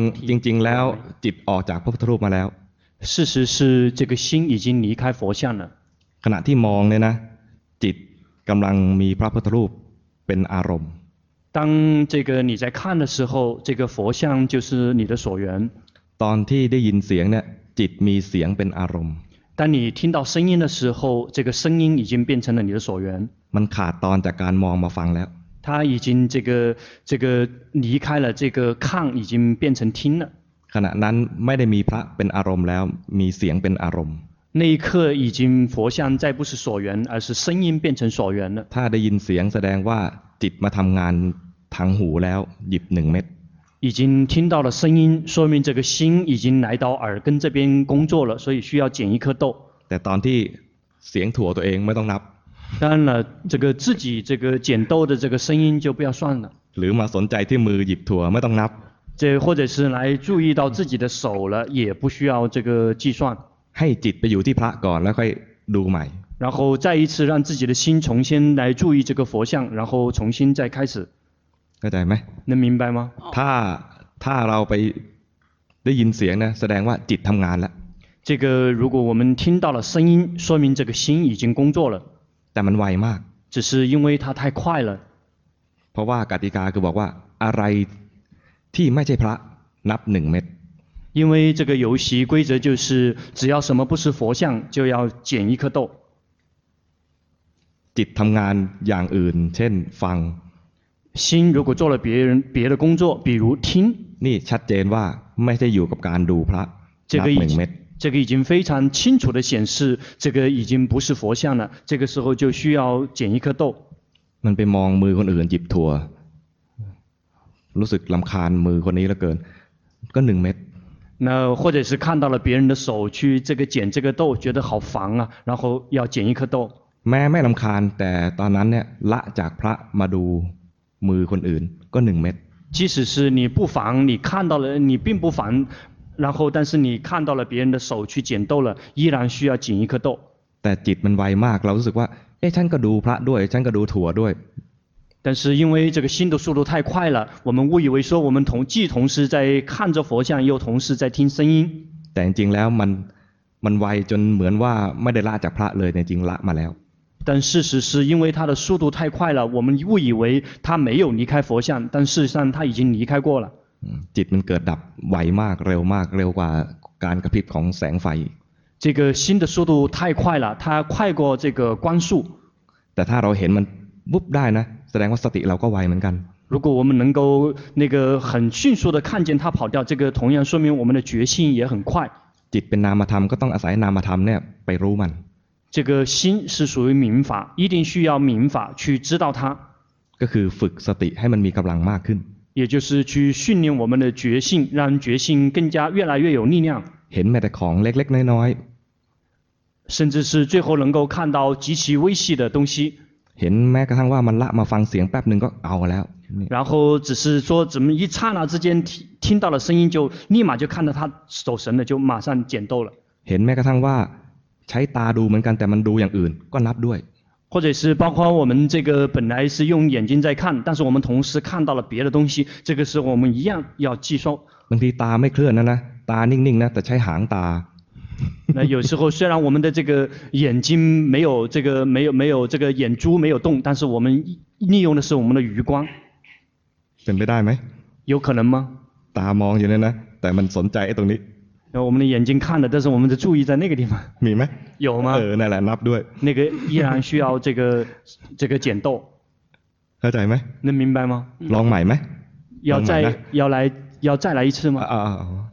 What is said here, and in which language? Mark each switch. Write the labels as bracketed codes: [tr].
[th] จริงๆจริงๆแล้วจิตออกจากพระพุทธรูปมาแล้ว [zh] 事实是这个心已经离开佛像了 [th] ขณะที่มองเนี่ยนะจิตกำลังมีพระพุทธรูปเป็นอารมณ์ [zh] 当这个你在看的时候这个佛像就是你的所缘 [th] ตอนที่ได้ยินเสียงเนี่ยจิตมีเสียงเป็นอารมณ์ [zh] 当你听到声音的时候这个声音已经变成了你的所缘 [th] มันขาดตอนจากการมองมาฟังแล้ว [zh] 他已经这个离开了这个看已经变成听了 [th] ขณะนั้นไม่ได้มีพระเป็นอารมณ์แล้วมีเสียงเป็นอารมณ์ [zh] 那一刻已经佛像再不是所缘而是声音变成所缘了 [th] ถ้าได้ยินเสียงแสดงว่าจิตมาทำงานทางหูแล้วหยิบหนึ่งเม็ด [zh] 已经听到了声音说明这个心已经来到耳根这边工作了所以需要捡一颗豆 [th] แต่ตอนที่เสียงถั่วตัวเองไม่ต้องนับ [zh] 当然了这个自己这个捡豆的这个声音就不要算了 [th] หรือมาสนใจที่มือหยิบถั่วไม่ต้องนับ จะ [zh] 或者是来注意到自己的手了也不需要这个计算 [th] ให้จิตไปอยู่ที่พระก่อนแล้วค่อยดูใหม่ [zh] 然后再一次让自己的心重新来注意这个佛像然后重新再开始 [th] เข้าใจไหม [zh] 能明白吗 [th] ถ้าเราไปได้ยินเสียงนะแสดงว่าจิตทำงานแล้ว [zh] 这个如果我们听到了声音说明这个心已经工作了 [th] แต่มันไวมาก [zh] 只是因为它太快了 [th] เพราะว่ากติกาคือบอกว่าอะไรที่ไม่ใช่พระนับหนึ่งเม็ด [zh] 因为这个游戏规则就是只要什么不是佛像就要捡一颗豆 [th] จิตทำงานอย่างอื่นเช่นฟัง [zh] 心如果做了别的工作比如听 [th] นี่ชัดเจนว่าไม่ใช่อยู่กับการดูพระนับหนึ่งเม็ด [zh] 这个已经非常清楚的显示这个已经不是佛像了这个时候就需要捡一颗豆 [th] มันไปมองมือคนอื่นหยิบถั่วรู้สึกลำคาญมือคนนี้เหลือเกินก็หนึ่งเม็ด [zh] 那或者是看到了别人的手去这个捡这个豆觉得好烦啊然后要捡一颗豆 [th] แม่ลำคาญแต่ตอนนั้นเนี่ยละจากพระมาดูมือคนอื่นก็หนึ่งเม็ด [zh] 即使是你不烦你看到了你并不烦然后但是你看到了别人的手去捡豆了依然需要捡一颗豆 [th] แต่จิตมันไวมากเรารู้สึกว่าเอ๊ะฉันก็ดูพระด้วยฉันก็ดูถั่วด้วย แต่ [zh] 是因为这个心的速度太快了我们误以为说我们既同时在看着佛像又同时在听声音 [th] แต่จริงแล้วมันไวจนเหมือนว่าไม่ได้ละจากพระเลยจริงละมาแล้ว [zh] 但事实是因为它的速度太快了我们误以为它没有离开佛像但事实上它已经离开过了 [th] จิตมันเกิดดับไวมากเร็วมากเร็วกว่าการกระพริบของแสงไฟ [zh] 这个心的速度太快了它快过这个光速 [th] แต่ถ้าเราเห็นมันปุ๊บได้นะแสดงว่าสติเราก็ไวเหมือนกัน [zh] 如果我们能够那个很迅速的看见他跑掉这个同样说明我们的决心也很快 [th] จิตเป็นนามธรรมก็ต้องอาศัยนามธรรมเนี่ยไปรู้มัน [zh] 这个心是属于明法一定需要明法去知道它 [th] ก็คือฝึกสติให้มันมีกำลังมากขึ้น [zh] 也就是去训练我们的决心让决心更加越来越有力量 [th] เห็นแม้แต่ของเล็กๆน้อย [zh] ๆ甚至是最后能够看到极其微细的东西 [th] เห็นแม้กระทั่งว่ามันละมาฟังเสียงแป๊บหนึ่งก็เอาแล้ว [zh] 然后只是说怎么一刹那之间听到了声音就立马就看到他走神了就马上捡豆了 [th] เห็นแม้กระทั่งว่าใช้ตาดูเหมือนกันแต่มันดูอย่างอื่นก็นับด้วย [zh] 或者是包括我们这个本来是用眼睛在看但是我们同时看到了别的东西这个时候我们一样要计算 [th] บางทีตาไม่เคลื่อนนะตานิ่งๆนะแต่ใช้หางตา [zh] 那有时候虽然我们的这个眼睛没有这个没有这个眼珠没有动，但是我们利用的是我们的余光。 [th] เป็นไปได้ไหม？ [zh] 有可能吗？ [th] ตามองอยู่เนี่ยนะ แต่มันสนใจไอ้ตรงนี้。 [zh] 那我们的眼睛看的，但是我们的注意在那个地方。 [th] มีไหม？ [zh] 有吗？ [th] เออนั่นแหละนับด้วย。 [zh] 那个依然需要这个剪豆。 [th] เข้าใจไหม？ [zh] 能明白吗？ [th] ลองใหม่ไหม？ [zh] 要再来一次吗？啊。